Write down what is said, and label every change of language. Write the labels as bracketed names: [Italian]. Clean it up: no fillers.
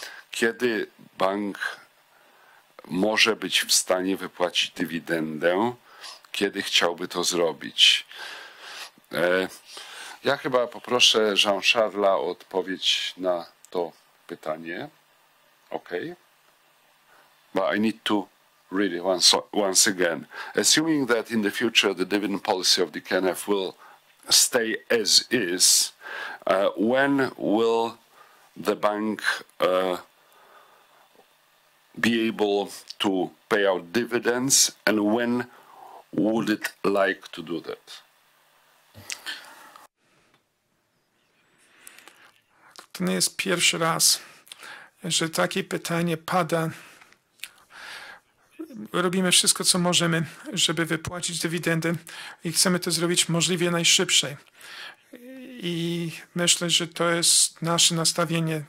[Polish] Kiedy bank może być w stanie wypłacić dywidendę? Kiedy chciałby to zrobić? Ja chyba poproszę Jean-Charles'a o odpowiedź na to pytanie. [English] OK. But I need to read it once again. Assuming that in the future the dividend policy of the KNF will stay as is, when will the bank be able to pay out dividends and when would it like to do that? [Polish] To nie jest pierwszy raz, że takie pytanie pada. Robimy wszystko, co możemy, żeby wypłacić dywidendy i chcemy to zrobić możliwie najszybciej. I myślę, że to jest nasze nastawienie.